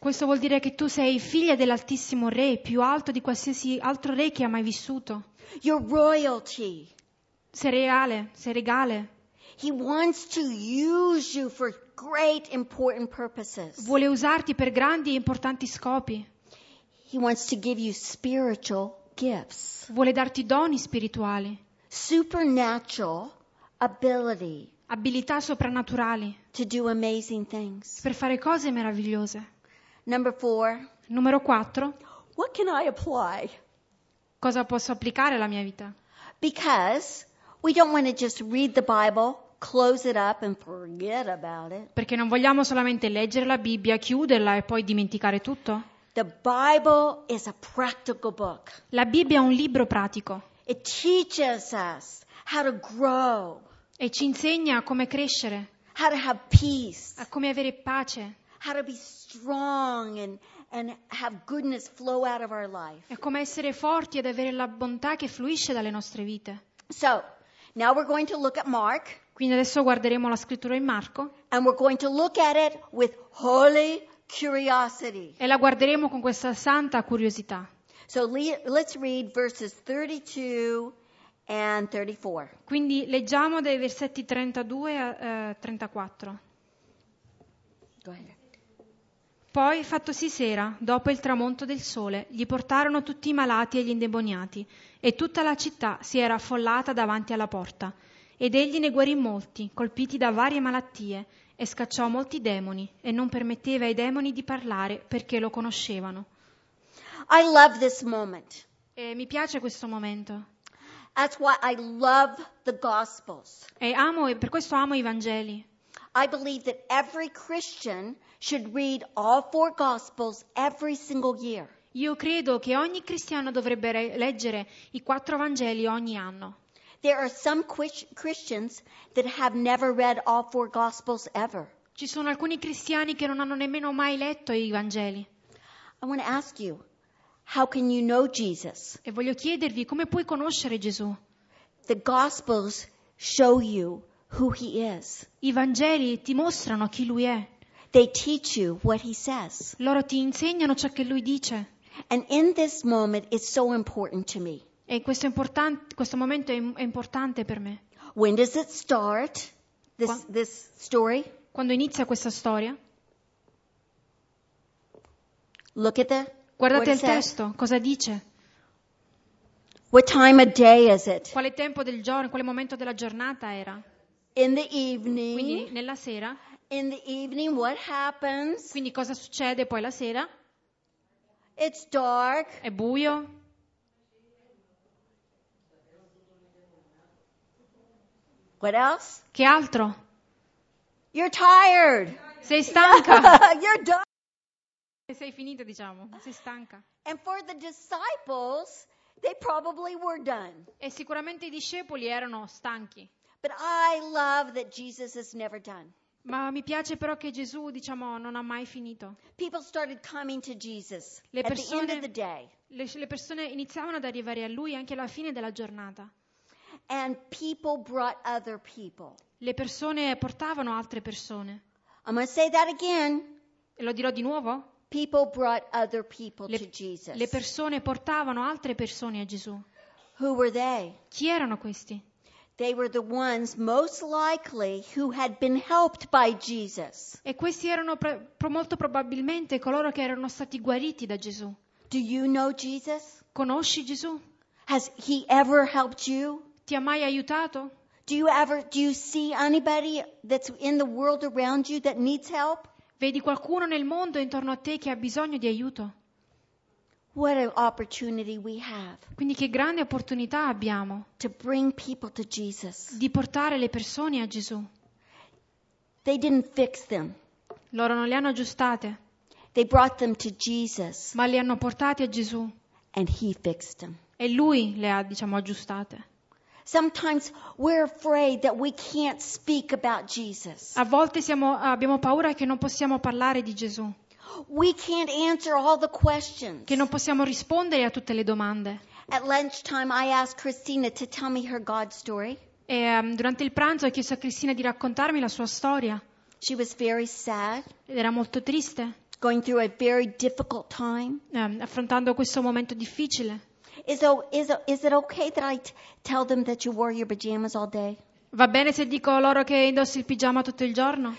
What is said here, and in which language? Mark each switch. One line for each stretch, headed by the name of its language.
Italian: Questo vuol dire che tu sei figlia dell'altissimo re, più alto di qualsiasi altro re che ha mai vissuto.
English: You're royalty.
Italian: Sei reale, sei regale.
English: He wants to use you for great important purposes.
Italian: Vuole usarti per grandi e importanti scopi.
English: He wants to give you spiritual gifts.
Italian: Vuole darti doni spirituali.
English: Supernatural ability.
Italian: Abilità soprannaturali.
English: To do amazing things.
Italian: Per fare cose meravigliose.
English: Number four.
Italian: Numero 4.
English: What can I apply?
Italian: Cosa posso applicare alla mia vita?
English: Because we don't want to just read the Bible, close it up and forget about it.
Italian: Perché non vogliamo solamente leggere la Bibbia, chiuderla e poi dimenticare tutto.
English: The Bible is a practical book.
Italian: La Bibbia è un libro pratico.
English: It teaches us how to grow.
Italian: E ci insegna come crescere.
English: How to have peace.
Italian: A come avere pace.
English: How to be strong and have goodness flow out of our life.
Italian: E come essere forti ed avere la bontà che fluisce dalle nostre vite.
English: So, now we're going to look at Mark.
Italian: Quindi adesso guarderemo la scrittura in Marco.
English: And we're going to look at it with holy curiosity.
Italian: E la guarderemo con questa santa curiosità.
English: So let's read verses 32 and 34.
Italian: Quindi leggiamo dai versetti 32 a 34.
English: Go ahead.
Italian: Poi, fattosi sera, dopo il tramonto del sole, gli portarono tutti i malati e gli indemoniati, e tutta la città si era affollata davanti alla porta. Ed egli ne guarì molti, colpiti da varie malattie, e scacciò molti demoni, e non permetteva ai demoni di parlare perché lo conoscevano.
English: I love this moment.
Italian: E mi piace questo momento.
English: That's why I love the Gospels.
Italian: E amo, per questo amo i Vangeli.
English: I believe that every Christian should read all four Gospels every single year.
Italian: Io credo che ogni cristiano dovrebbe leggere i quattro Vangeli ogni anno.
English: There are some Christians that have never read all four Gospels ever.
Italian: Ci sono alcuni cristiani che non hanno nemmeno mai letto i Vangeli.
English: I want to ask you, how can you know Jesus?
Italian: E voglio chiedervi come puoi conoscere Gesù?
English: The Gospels show you who he is.
Italian: I Vangeli ti mostrano chi lui è.
English: They teach you what he says.
Italian: Loro ti insegnano ciò che lui dice.
English: And in this moment it's so important to me.
Italian: E questo momento è importante per me.
English: When does it start, this story?
Italian: Quando inizia questa storia?
English: Look at the,
Italian: guardate il testo, cosa dice?
English: What time of day is it?
Italian: Quale tempo del giorno, quale momento della giornata era?
English: In the evening.
Italian: Quindi nella sera.
English: In the evening, what happens?
Italian: Quindi cosa succede poi la sera?
English: It's dark.
Italian: È buio.
English: What else?
Italian: Che altro?
English: You're tired.
Italian: Sei stanca.
English: You're done.
Italian: Sei finita, diciamo. Sei stanca.
English: And for the disciples, they probably were done.
Italian: E sicuramente i discepoli erano stanchi.
English: But I love that Jesus is never done.
Italian: Ma mi piace però che Gesù, diciamo, non ha mai finito.
English: People started coming to Jesus at the end of the day.
Italian: Le persone iniziavano ad arrivare a lui anche alla fine della giornata.
English: And people brought other people.
Italian: Le persone portavano altre persone.
English: I'm going to say that again.
Italian: E lo dirò di nuovo.
English: People brought other people to Jesus.
Italian: Le persone portavano altre persone a Gesù.
English: Who were they?
Italian: Chi erano questi?
English: They were the ones most likely who had been helped by Jesus.
Italian: E questi erano molto probabilmente coloro che erano stati guariti da Gesù.
English: Do you know Jesus?
Italian: Conosci Gesù?
English: Has he ever helped you?
Italian: Ti ha mai aiutato?
English: Do you see anybody that's in the world around you that needs help?
Italian: Vedi qualcuno nel mondo intorno a te che ha bisogno di aiuto?
English: What an opportunity we have.
Italian: Quindi che grande opportunità abbiamo.
English: To bring people to Jesus.
Italian: Di portare le persone a Gesù.
English: They didn't fix them.
Italian: Loro non le hanno aggiustate.
English: They brought them to Jesus.
Italian: Ma li hanno portati a Gesù.
English: And he fixed them.
Italian: E lui le ha, diciamo, aggiustate.
English: Sometimes we're afraid that we can't speak about Jesus.
Italian: A volte abbiamo paura che non possiamo parlare di Gesù.
English: We can't answer all the questions.
Italian: Che non possiamo rispondere a tutte le domande.
English: At lunchtime I asked Christina to tell me her God story.
Italian: E durante il pranzo ho chiesto a Cristina di raccontarmi la sua storia.
English: She was very sad.
Italian: Era molto triste.
English: Going through a very difficult time.
Italian: Affrontando questo momento difficile.
English: Is it okay that I tell them that you wore your pajamas all day?
Italian: Va bene se dico loro che indossi il pigiama tutto il giorno?